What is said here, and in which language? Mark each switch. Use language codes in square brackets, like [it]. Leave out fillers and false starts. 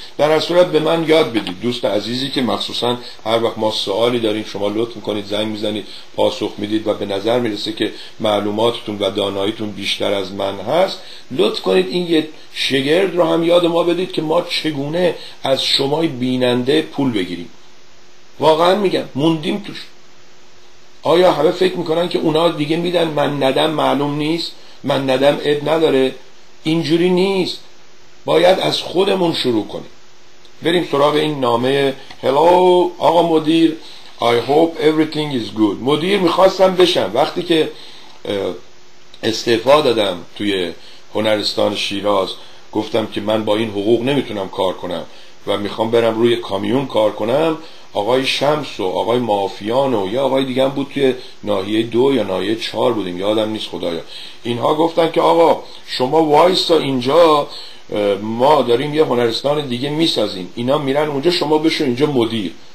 [fa] در هر صورت به من یاد بدید دوست عزیزی که مخصوصا هر وقت ما سوالی داریم شما لطف میکنید زنگ میزنید پاسخ میدید و به نظر میرسه که معلوماتتون و داناییتون بیشتر از من هست، لطف کنید این یه شگرد رو هم یاد ما بدید که ما چگونه از شمای بیننده پول بگیریم. واقعا میگم موندیم توش. آیا همه فکر میکنن که اونا دیگه میدن من ندم معلوم نیست، من ندم عد نداره؟ اینجوری نیست، باید از خودمون شروع کنیم. بریم سراغ این نامه. [en] Hello [fa] آقا مدیر، [en] I hope everything is good. [fa] مدیر میخواستم بشم وقتی که استعفا دادم توی هنرستان شیراز، گفتم که من با این حقوق نمیتونم کار کنم و میخوام برم روی کامیون کار کنم. آقای شمس و آقای مافیان و یه آقای دیگه هم بود توی ناحیه 2 یا ناحیه 4 بودیم یادم نیست خدایا، اینها گفتن که آقا شما وایسا اینجا، ما داریم یه هنرستان دیگه میسازیم، اینا میرن اونجا، شما بشو اینجا مدیر.